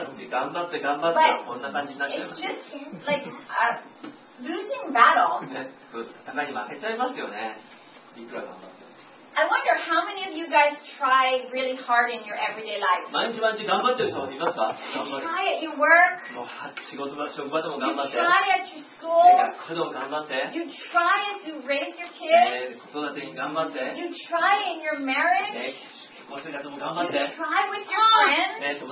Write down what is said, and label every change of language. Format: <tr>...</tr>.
<ja>頑張って頑張ってこんな感じになっちゃいます。</ja> <en>It just seems like a losing battle.</en> <ja>たまに負けちゃいますよね。いくら頑張っても。</ja> <en>I wonder how many of you guys try really hard in your everyday life.</en> <ja>毎日毎日頑張ってる人いますか？</ja> <en>Try at your work.</en> <ja>もう仕事場、職場でも頑張って。</ja> <en>You try at your school.</en> <ja>学校でも頑張って。</ja> <en>You try as you raise your kids.</en> <ja>子育てに頑張って。</ja> <en>You try in your marriage. You try with your friends.</en>